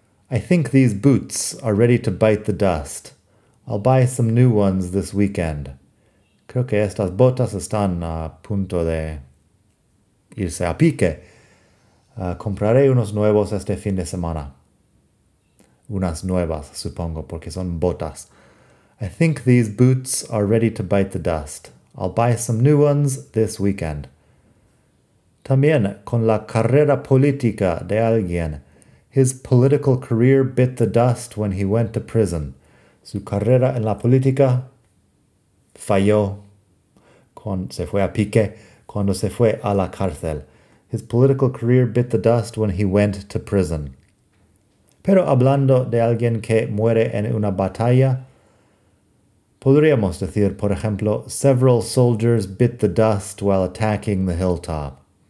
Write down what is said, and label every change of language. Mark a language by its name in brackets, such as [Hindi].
[English] I think these boots are ready to bite the dust. I'll buy some new ones this weekend. [Spanish] Creo que estas botas están a punto de irse a pique. Compraré unos nuevos este fin de semana. Unas nuevas, supongo, porque son botas. [English] I think these boots are ready to bite the dust. I'll buy some new ones this weekend. [Spanish] También con la carrera política de alguien. [English] His political career bit the dust when he went to prison. [Spanish] Su carrera en la política falló cuando se fue a pique, cuando se fue a la cárcel. [English] His political career bit the dust when he went to prison. [Spanish] Pero hablando de alguien que muere en una batalla, podríamos decir, por ejemplo, [English] several soldiers bit the dust while attacking the hilltop.